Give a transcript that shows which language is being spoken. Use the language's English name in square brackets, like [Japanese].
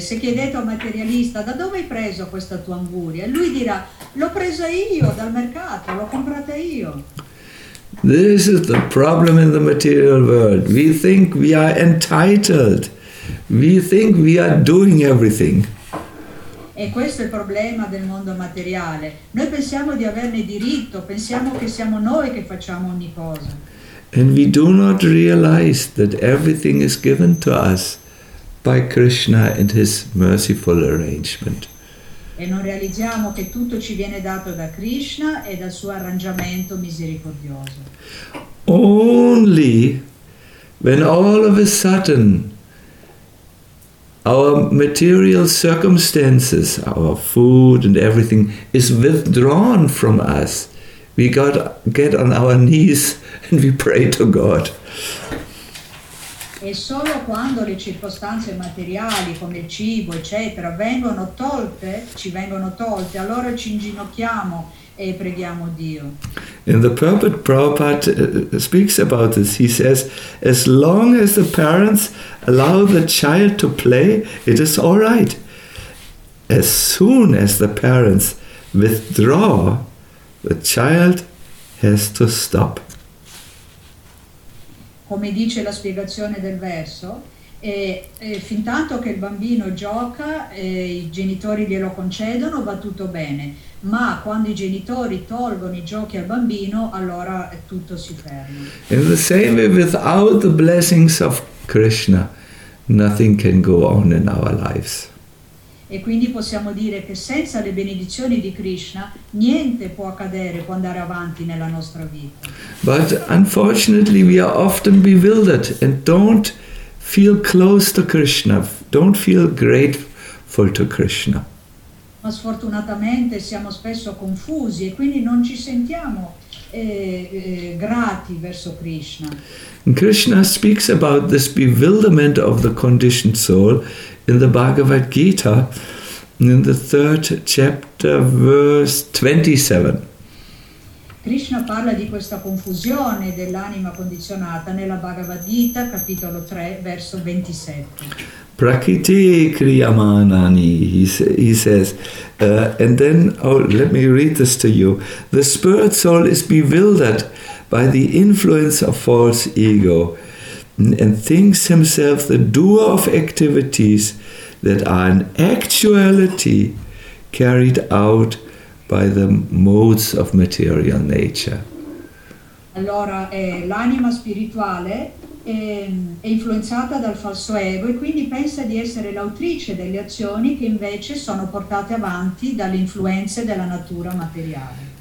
[Italian] Se chiedete al materialista, da dove hai preso questa tua anguria? Lui dirà, l'ho presa io dal mercato, l'ho comprata io. [English] This is the problem in the material world. We think we are entitled. We think we are doing everything. [Italian] E questo è il problema del mondo materiale. Noi pensiamo di averne diritto, pensiamo che siamo noi che facciamo ogni cosa. [English] And we do not realize that everything is given to us by Krishna and his merciful arrangement. [Italian] E non realizziamo che tutto ci viene dato da Krishna e dal suo arrangiamento misericordioso. [English] Only when all of a sudden our material circumstances, our food and everything, is withdrawn from us, we get on our knees and we pray to God. [Italian] E solo quando le circostanze materiali, come il cibo, eccetera, ci vengono tolte, allora ci inginocchiamo e preghiamo Dio. [English] And the purport Prabhupada speaks about this. He says, as long as the parents allow the child to play, it is all right. As soon as the parents withdraw, the child has to stop. [Italian] Come dice la spiegazione del verso, E fin tanto che il bambino gioca, i genitori glielo concedono, va tutto bene, ma quando i genitori tolgono i giochi al bambino, allora tutto si ferma. [English] In the same way, without the blessings of Krishna, nothing can go on in our lives. [Italian] E quindi possiamo dire che senza le benedizioni di Krishna niente può accadere, può andare avanti nella nostra vita. [English] But unfortunately we are often bewildered and don't feel close to Krishna, don't feel grateful to Krishna. [Italian] Ma sfortunatamente siamo spesso confusi e quindi non ci sentiamo grati verso Krishna. [English] And Krishna speaks about this bewilderment of the conditioned soul in the Bhagavad Gita, in the 3rd chapter, verse 27. [Italian] Krishna parla di questa confusione dell'anima condizionata nella Bhagavad Gita, capitolo 3, verso 27. [Sanskrit] Prakriti kriyamanani, [English] he says. Let me read this to you. The spirit soul is bewildered by the influence of false ego and thinks himself the doer of activities that are in actuality carried out by the modes of material nature. [Italian] Allora, l'anima spirituale è influenzata dal falso ego e quindi pensa di essere l'autrice delle azioni che invece sono portate avanti dalle influenze della natura materiale.